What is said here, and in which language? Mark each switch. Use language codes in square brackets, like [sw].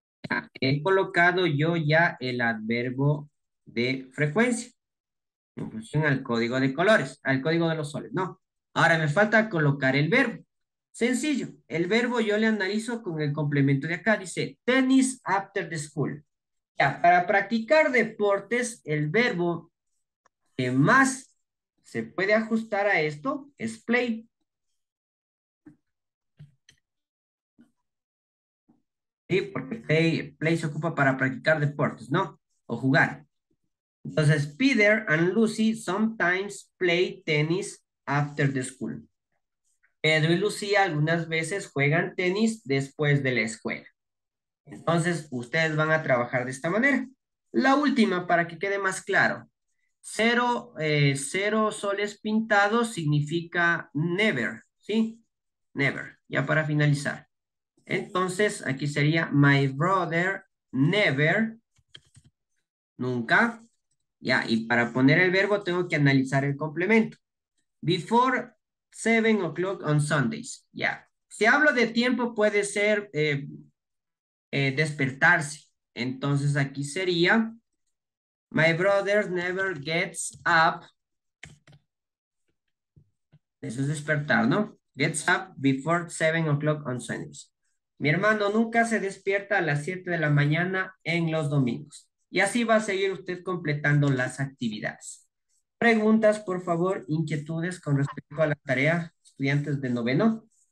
[es] Ya, he colocado yo ya el adverbo de frecuencia. En función al código de colores, al código de los soles, no. Ahora me falta colocar el verbo. Sencillo. El verbo yo le analizo con el complemento de acá. Dice, [en] tennis after the school. [es] Ya, para practicar deportes, el verbo que más se puede ajustar a esto es play. Sí, porque play se ocupa para practicar deportes, ¿no? O jugar. Entonces, [en] Peter and Lucy sometimes play tennis after the school. [es] Pedro y Lucía algunas veces juegan tenis después de la escuela. Entonces, ustedes van a trabajar de esta manera. La última, para que quede más claro. Cero soles pintados significa never, ¿sí? Never. Ya para finalizar. Entonces, aquí sería [en] my brother never, [es] nunca. Ya, y para poner el verbo tengo que analizar el complemento. [en] Before 7 o'clock on Sundays. [es] Ya. Si hablo de tiempo, puede ser despertarse. Entonces, aquí sería... [en] My brother never gets up. [es] Eso es despertar, ¿no? [en] Gets up before 7 o'clock on Sundays. [es] Mi hermano nunca se despierta a las 7 de la mañana en los domingos. Y así va a seguir usted completando las actividades. Preguntas, por favor, inquietudes con respecto a la tarea, estudiantes de noveno.